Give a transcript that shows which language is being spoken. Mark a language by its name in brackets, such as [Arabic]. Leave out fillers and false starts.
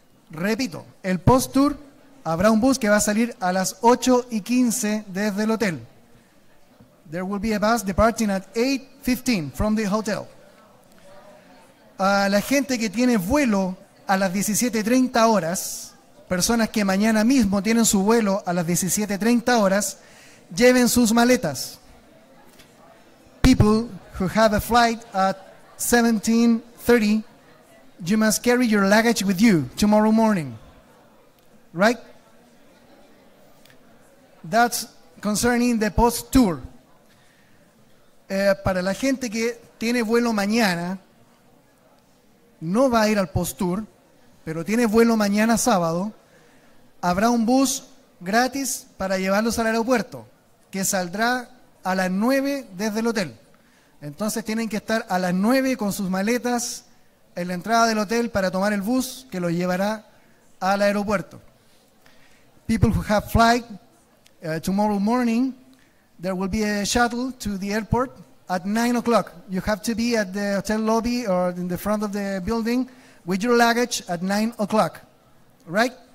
[Spanish] Repito, el post-tour habrá un bus que va a salir a las 8:15 desde el hotel. [English] There will be a bus departing at 8:15 from the hotel. [Spanish] A la gente que tiene vuelo a las 17:30 horas, personas que mañana mismo tienen su vuelo a las 17:30 horas, lleven sus maletas. [English] People who have a flight at 17:30, you must carry your luggage with you tomorrow morning. Right? That's concerning the post-tour. [Spanish] Para la gente que tiene vuelo mañana, no va a ir al post-tour, pero tiene vuelo mañana sábado, habrá un bus gratis para llevarlos al aeropuerto, que saldrá a las 9 desde el hotel. Entonces tienen que estar a las 9 con sus maletas en la entrada del hotel para tomar el bus que los llevará al aeropuerto. [English] People who have flight tomorrow morning, there will be a shuttle to the airport at 9 o'clock. You have to be at the hotel lobby or in the front of the building with your luggage at 9 o'clock, right?